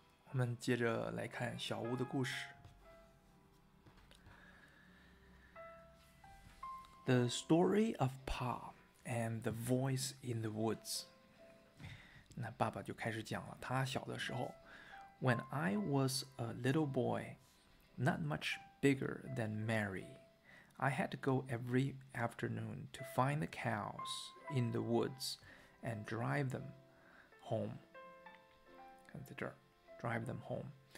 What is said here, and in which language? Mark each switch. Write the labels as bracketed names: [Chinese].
[Chinese] 我们接着来看小屋的故事。 [English] The story of Pa and the voice in the woods. [Chinese] 那爸爸就开始讲了，他小的时候。 [English] When I was a little boy, not much bigger than Mary, I had to go every afternoon to find the cows in the woods and drive them home. [Chinese] 看在这儿。 [English] Drive them home.